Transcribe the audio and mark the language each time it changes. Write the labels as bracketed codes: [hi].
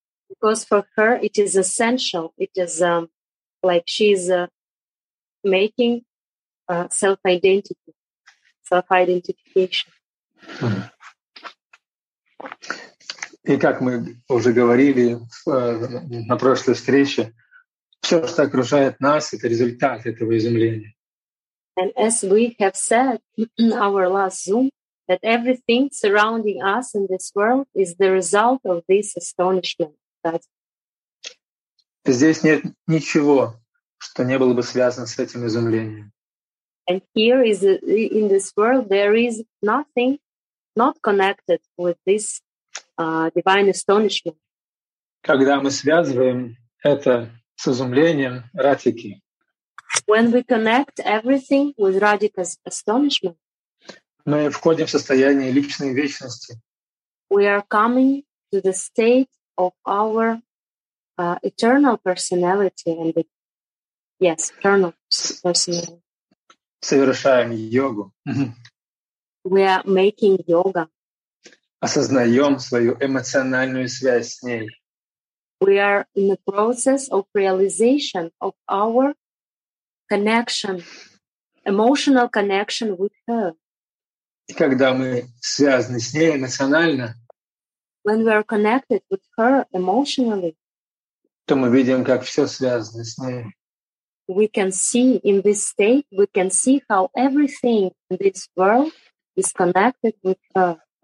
[en] Because for her it is essential. It is like she is making self-identity, self-identification. [ru] И как мы уже говорили на прошлой встрече, все, что окружает нас, это результат этого изумления. [en] And as we have said in our last Zoom, that everything surrounding us in this world is the result of this astonishment. [ru] Здесь нет ничего, что не было бы связано с этим изумлением. [en] And here is in this world there is nothing not connected with this divine astonishment. [ru] Когда мы связываем это с изумлением Радхики. [en] When we connect everything with Radhika's astonishment, [ru] мы входим в состояние личной вечности. [en] We are coming to the state of our eternal personality and the yes, eternal personality. [ru] Совершаем йогу. [en] We are making yoga. [ru] Осознаем свою эмоциональную связь с ней. [en] We are in the process of realization of our connection, emotional connection with her. [ru] И когда мы связаны с ней эмоционально, [en] when we are connected with her emotionally, [ru] то мы видим, как все связано с ней. [en] We can see in this state, we can see how everything in this world is connected with her.